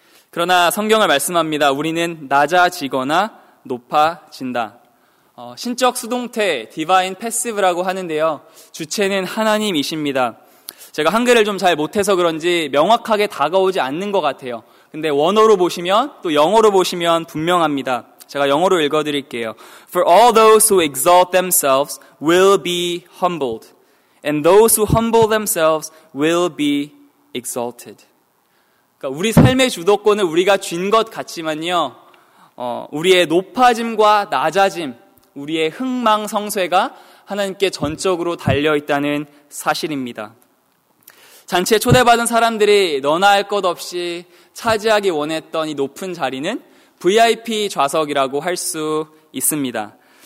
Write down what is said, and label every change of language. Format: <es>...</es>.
<ko>그러나 성경을 말씀합니다. 우리는 낮아지거나 높아진다. 신적 수동태, 디바인 패시브라고 하는데요. 주체는 하나님이십니다. 제가 한글을 좀 잘 못해서 그런지 명확하게 다가오지 않는 것 같아요. 근데 원어로 보시면 또 영어로 보시면 분명합니다. 제가 영어로 읽어드릴게요.</ko> <en>For all those who exalt themselves will be humbled, and those who humble themselves will be exalted.</en> <ko>그러니까 우리 삶의 주도권을 우리가 쥔 것 같지만요. 우리의 높아짐과 낮아짐, 우리의 흥망성쇠가 하나님께 전적으로 달려있다는 사실입니다. 잔치에 초대받은 사람들이 너나 할 것 없이 차지하기 원했던 이 높은 자리는 VIP 좌석이라고 할 수 있습니다.</ko>